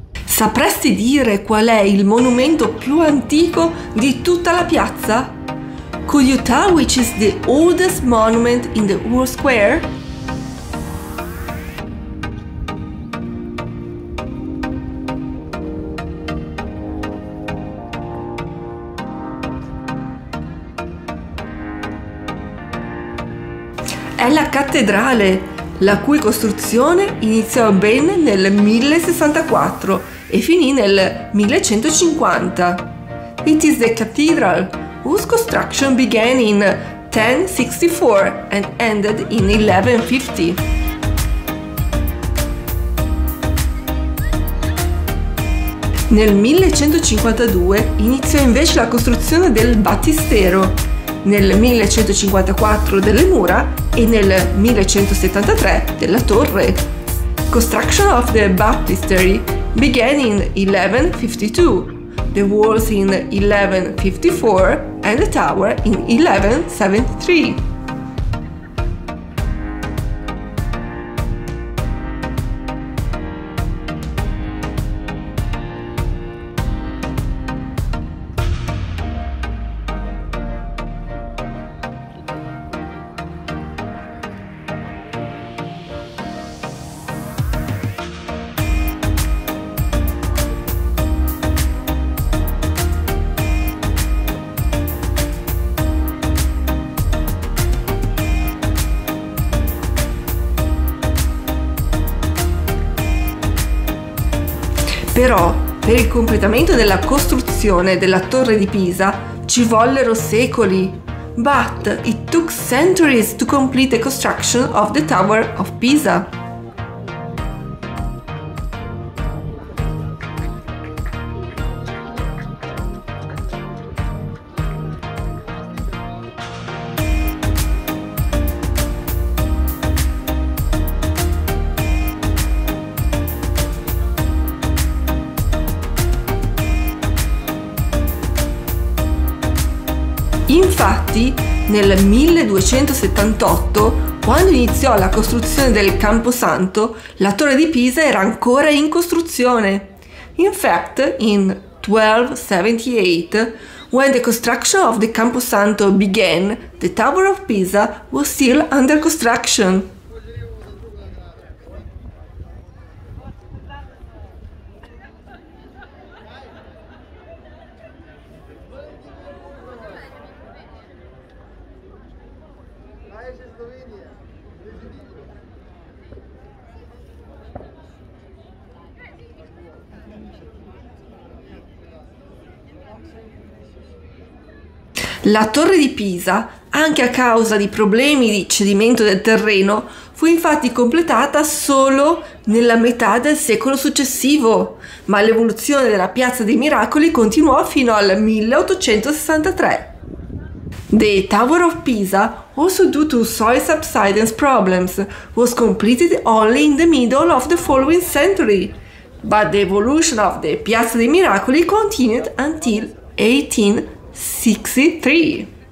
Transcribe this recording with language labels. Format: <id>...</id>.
<it>Sapresti dire qual è il monumento più antico di tutta la piazza?</it> <en>Could you tell which is the oldest monument in the whole square?</en> <it>È la cattedrale, la cui costruzione iniziò ben nel 1064 e finì nel 1150.</it> <en>It is the cathedral whose construction began in 1064 and ended in 1150.</en> <it>Nel 1152 iniziò invece la costruzione del battistero, nel 1154 delle mura e nel 1173 della torre.</it> <en>Construction of the baptistery began in 1152, the walls in 1154 and the tower in 1173.</en> <it>Però, per il completamento della costruzione della Torre di Pisa ci vollero secoli.</it> <en>But it took centuries to complete the construction of the Tower of Pisa.</en> <it>Infatti, nel 1278, quando iniziò la costruzione del Camposanto, la Torre di Pisa era ancora in costruzione.</it> <en>In fact, in 1278, when the construction of the Camposanto began, the Tower of Pisa was still under construction.</en> <it>La Torre di Pisa, anche a causa di problemi di cedimento del terreno, fu infatti completata solo nella metà del secolo successivo, ma l'evoluzione della Piazza dei Miracoli continuò fino al 1863.</it> <en>The Tower of Pisa, also due to soil subsidence problems, was completed only in the middle of the following century, but the evolution of the Piazza dei Miracoli continued until 1863.</en>